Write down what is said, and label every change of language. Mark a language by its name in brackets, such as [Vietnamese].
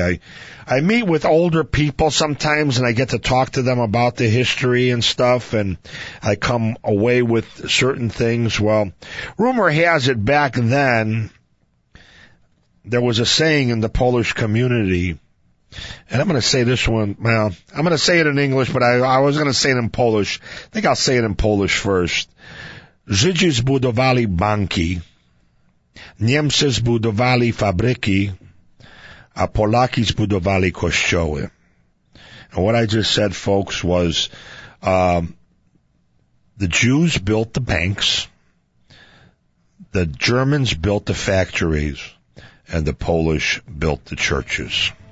[English] I meet with older people sometimes, and I get to talk to them about the history and stuff, and I come away with certain things. Well, rumor has it back then, there was a saying in the Polish community, and I'm going to say this one, well, I'm going to say it in English, but I was going to say it in Polish. I think I'll say it in Polish first. [Polish] Żydzi zbudowali banki, Niemcy zbudowali fabryki, a Polaki zbudowali kościoły. [English] And what I just said, folks, was the Jews built the banks, the Germans built the factories, and the Polish built the churches.